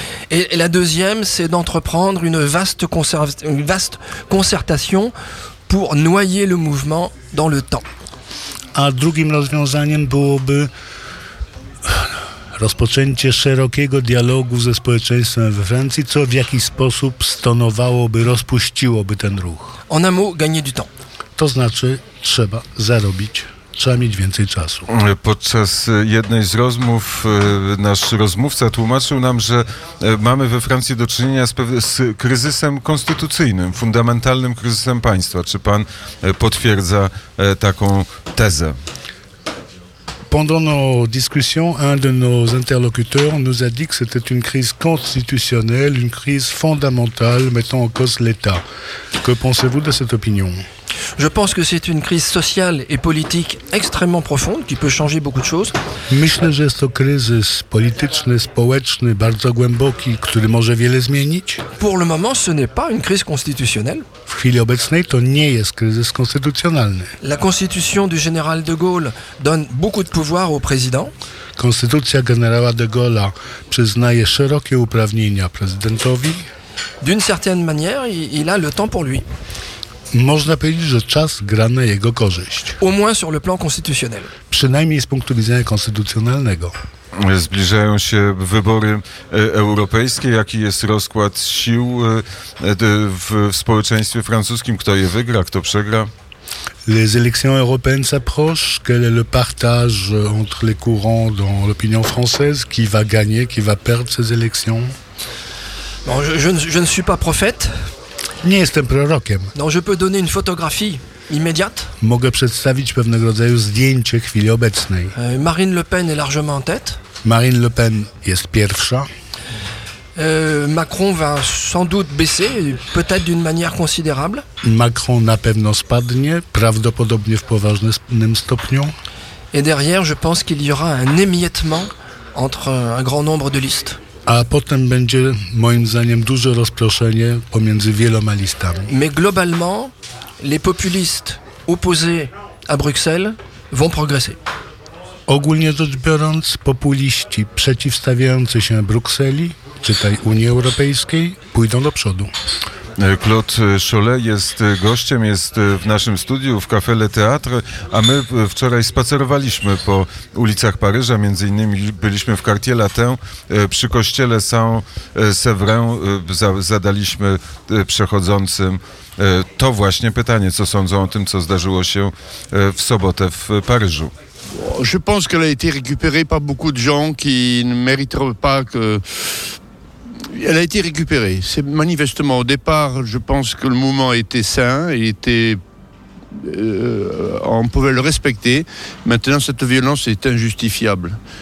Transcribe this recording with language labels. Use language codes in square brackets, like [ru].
[fr] Et la deuxième, c'est d'entreprendre une vaste concertation pour noyer le mouvement dans le temps. [pl] A drugim rozwiązaniem byłoby rozpoczęcie szerokiego dialogu ze społeczeństwem we Francji, co w jakiś sposób stonowałoby, rozpuściłoby ten ruch. [fr] En un mot, gagner du temps. [pl] To znaczy, trzeba zarobić, trzeba mieć więcej czasu. Podczas jednej z rozmów nasz rozmówca tłumaczył nam, że mamy we Francji do czynienia z kryzysem konstytucyjnym, fundamentalnym kryzysem państwa. Czy pan potwierdza taką tezę? [fr] Pendant nos discussions, un de nos interlocuteurs nous a dit que c'était une crise constitutionnelle, une crise fondamentale mettant en cause l'État. Que pensez-vous de cette opinion? Je pense que c'est une crise sociale et politique extrêmement profonde qui peut changer beaucoup de choses. [pl] Myślę, że jest to kryzys polityczny, społeczny, bardzo głęboki, który może wiele zmienić. [fr] Pour le moment, ce n'est pas une crise constitutionnelle. [pl] W chwili obecnej to nie jest kryzys konstytucjonalny. [fr] La constitution du général de Gaulle donne beaucoup de pouvoir au président. [pl] Konstytucja generała de Gaulle'a przyznaje szerokie uprawnienia prezydentowi. [fr] D'une certaine manière, il a le temps pour lui. [pl] Można powiedzieć, że czas gra na jego korzyść. [fr] Au moins sur le plan constitutionnel. [pl] Przynajmniej z punktu widzenia konstytucjonalnego. Zbliżają się wybory europejskie. Jaki jest rozkład sił w społeczeństwie francuskim? Kto je wygra, kto przegra? [fr] Les élections européennes s'approchent. Quel est le partage entre les courants dans l'opinion française? Qui va gagner, qui va perdre ces élections? Bon, je ne suis pas prophète. [pl] Nie jestem prorokiem. [fr] No, je peux donner une photographie immédiate. [pl] Mogę przedstawić pewnego rodzaju zdjęcie chwili obecnej. [fr] Marine Le Pen est largement en tête. [pl] Marine Le Pen jest pierwsza. [fr] Macron va sans doute baisser, peut-être d'une manière considérable. [pl] Macron na pewno spadnie, prawdopodobnie w poważnym stopniu. [fr] Et derrière, je pense qu'il y aura un émiettement entre un grand nombre de listes. [pl] A potem będzie, moim zdaniem, duże rozproszenie pomiędzy wieloma listami. [fr] Mais globalement, les populistes opposés à Bruxelles vont progresser. [pl] Ogólnie rzecz biorąc, populiści przeciwstawiający się Brukseli, czytaj Unii Europejskiej, pójdą do przodu. Claude Chollet jest gościem, jest w naszym studiu w Café Le Théâtre, a my wczoraj spacerowaliśmy po ulicach Paryża, między innymi byliśmy w Quartier Latin, przy kościele Saint-Séverin, zadaliśmy przechodzącym to właśnie pytanie, co sądzą o tym, co zdarzyło się w sobotę w Paryżu. [fr] Je pense qu'elle a été récupérée par beaucoup de gens qui ne mériteraient pas que... Elle a été récupérée. C'est manifestement, au départ, je pense que le mouvement était sain, il était... on pouvait le respecter. Maintenant, cette violence est injustifiable.